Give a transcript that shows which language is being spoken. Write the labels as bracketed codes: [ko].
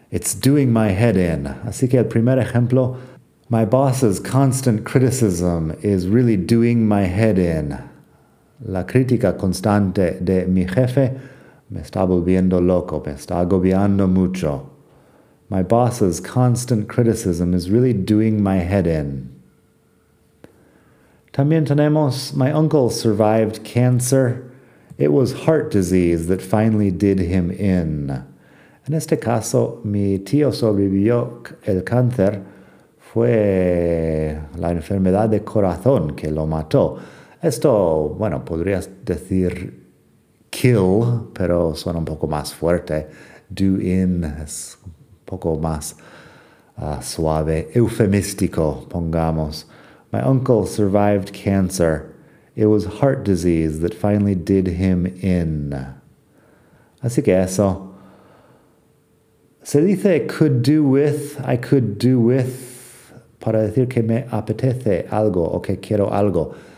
[en] It's doing my head in. [es] Así que el primer ejemplo, [en] my boss's constant criticism is really doing my head in. [es] La crítica constante de mi jefe me está volviendo loco, me está agobiando mucho. [en] My boss's constant criticism is really doing my head in. [es] También tenemos, [en] my uncle survived cancer. It was heart disease that finally did him in. [es] En este caso, mi tío sobrevivió el cáncer. Fue la enfermedad de corazón que lo mató. Esto, bueno, podrías decir kill, pero suena un poco más fuerte. Do in es un poco más suave, eufemístico, pongamos. [en] My uncle survived cancer. It was heart disease that finally did him in. [es] Así que eso. Se dice could do with, I could do with, para decir que me apetece algo o que quiero algo.